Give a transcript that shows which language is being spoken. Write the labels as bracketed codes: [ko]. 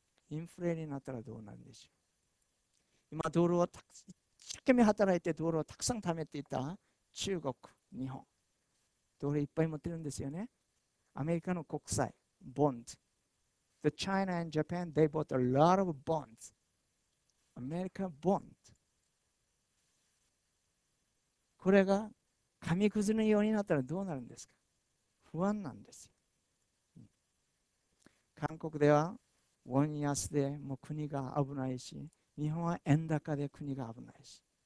[ja] インフレになったらどうなるんでしょう。今、道路をたく一生懸命働いて道路をたくさん貯めていた中国、日本、道路いっぱい持ってるんですよね。アメリカの国債、ボンド。 [en] The China and Japan, they bought a lot of bonds. [ja] アメリカボンド。これが紙くずのようになったらどうなるんですか。不安なんですよ。韓国では円安でもう国が危ないし、日本は円高で国が危ないし。